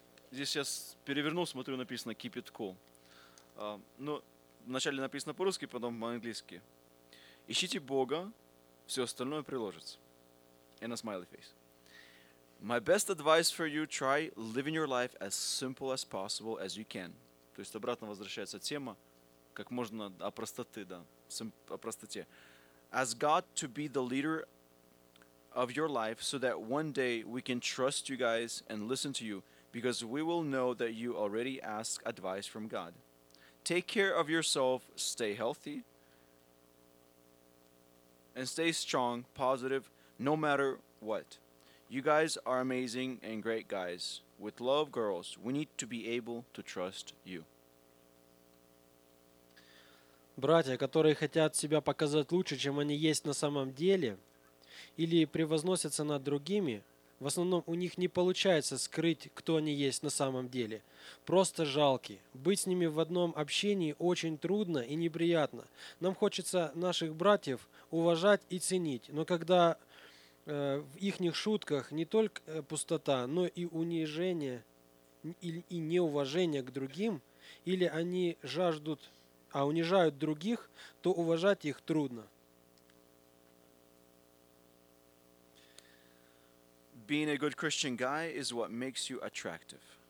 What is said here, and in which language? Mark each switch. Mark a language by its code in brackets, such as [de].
[ru] Здесь я перевернул, смотрю, написано [en] keep it cool. [ru] Вначале написано по-русски, потом по-английски. Ищите Бога. Все остальное приложится. [en] And a smiley face. My best advice for you, try living your life as simple as possible as you can. [ru] То есть обратно возвращается тема, как можно о простоте, да, о простоте. [en] As God to be the leader of your life so that one day we can trust you guys and listen to you because we will know that you already ask advice from God. Take care of yourself, stay healthy, and stay strong, positive, no matter what. You guys are amazing and great guys. With love, girls, we need to be able to trust you. [ru] Братья, которые хотят себя показать лучше, чем они есть на самом деле, или превозносятся над другими, в основном у них не получается скрыть, кто они есть на самом деле. Просто жалки. Быть с ними в одном общении очень трудно и неприятно. Нам хочется наших братьев уважать и ценить. Но когда в ихних шутках не только пустота, но и унижение и неуважение к другим, или они унижают других, то уважать их трудно. [en] being a good Christian guy is what makes you attractive.